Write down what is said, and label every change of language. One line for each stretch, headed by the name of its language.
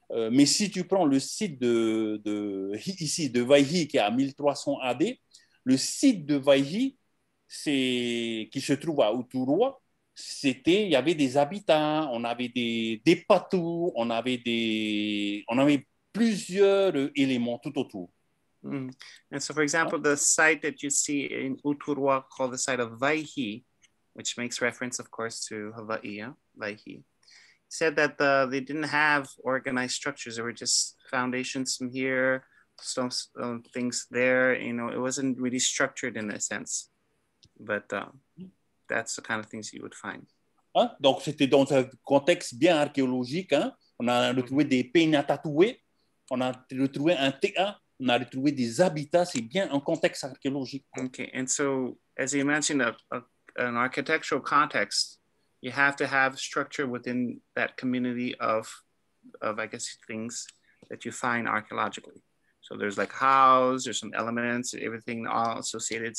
French: Mais si tu prends le site de Vaihi, qui est à 1300 AD, le site de Vaihi, qui se trouve à Uturoa, c'était, il y avait des habitats, on avait des patous, on avait plusieurs éléments tout autour. Mm.
English: And so, for example, the site that you see in Uturoa called the site of Vaihi, which makes reference, of course, to Hawaii, Vaihi, said that they didn't have organized structures. There were just foundations from here, some things there, you know, it wasn't really structured in a sense, but that's the kind of things you would find.
French: Hein? Donc, c'était dans un contexte bien archéologique. Hein? On a retrouvé des peignes à tatouer, on a retrouvé un théâtre, on a retrouvé des habitats, c'est bien un contexte archéologique.
English: Okay, and so, as you mentioned, an architectural context, you have to have structure within that community of I guess, things that you find archaeologically. So there's like house, there's some elements, everything all associated.